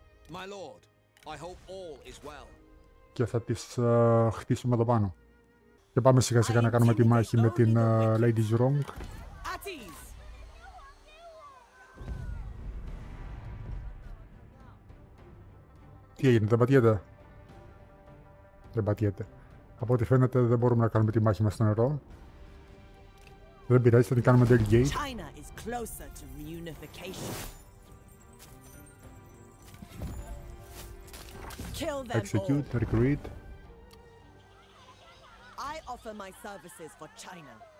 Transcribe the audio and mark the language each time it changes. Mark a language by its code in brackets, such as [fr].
[en] My lord, I hope all is well. [el] Και θα τις χτίσουμε εδώ πάνω. Και πάμε σιγά σιγά να κάνουμε τη μάχη με την Lady's Wrong. Τι έγινε, δεν πατιέται. Δεν πατιέται. Από ό,τι φαίνεται δεν μπορούμε να κάνουμε τη μάχη μέσα στο νερό. Δεν πειράζει, θα την κάνουμε Del Gate. [en] China is closer to reunification. Execute, recruit. I offer my services for China.